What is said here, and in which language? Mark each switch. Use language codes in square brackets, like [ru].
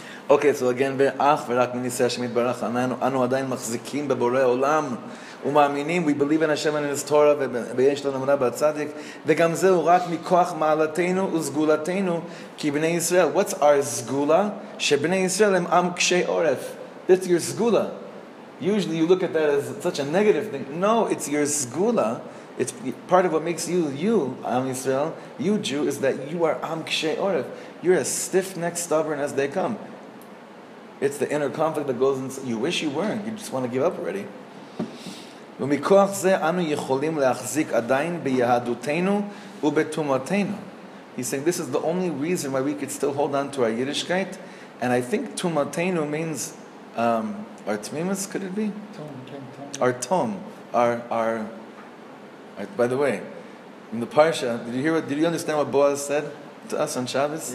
[he] אוקיי, אז again ואח ורק מניסי השם יתברך, אנו עדיין מחזיקים בבורא עולם ומאמינים, [en] we believe in Hashem and in his Torah [he] ויש לנו אמונה בצדיק, וגם זהו רק מכוח מעלתנו וסגולתנו כי בני ישראל. [en] What's our [he] סגולה? שבני ישראל הם עם קשי עורף. [en] That's your סגולה. Usually you look at that as such a negative thing. No, it's your סגולה. It's part of what makes you, you, Am Yisrael, you Jew, is that you are Am Kshei Oref. You're as stiff-necked, stubborn as they come. It's the inner conflict that goes in. You wish you weren't. You just want to give up already. [he] ומכוח זה אנו יכולים להחזיק עדיין ביהדותנו ובתומתנו. [en] He's saying this is the only reason why we could still hold on to our Yiddishkeit. And I think tumatenu means our tmimus, could it be? Our tom. By the way, in the parsha, did you understand what Boaz said to us on Shabbos?